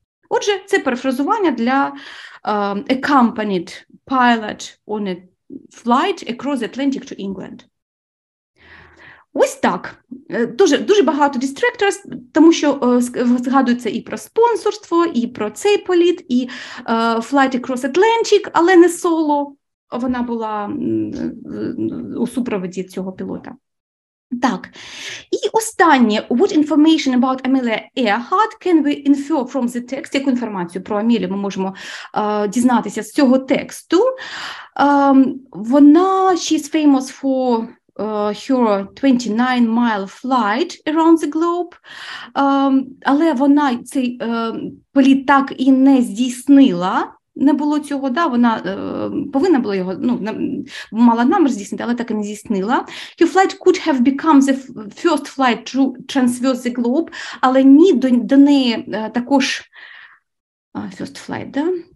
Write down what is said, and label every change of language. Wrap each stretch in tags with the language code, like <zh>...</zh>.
<uk>Отже, це перефразування для</uk> <en>accompanied pilot on a flight across the Atlantic to England.</en> <uk>Ось так. Дуже, дуже багато distractors, тому що згадується і про спонсорство, і про цей політ, і</uk> <en>flight across Atlantic,</en> <uk>але не соло. Вона була у супроводі цього пілота. Так, і останнє.</uk> <en>What information about Amelia Earhart can we infer from the text?</en> <uk>Яку інформацію про Амелію ми можемо дізнатися з цього тексту?</uk> <en>Вона, she's famous for her 29-mile flight around the globe.</en> <uk>Але вона цей політ так і не здійснила. Не було цього, да, вона повинна була його, ну, мала намір здійснити, але так і не здійснила.</uk> <en>Her flight could have become the first flight to transverse the globe,</en> <uk>але ні, до неї також</uk> <en>first flight, да?</en>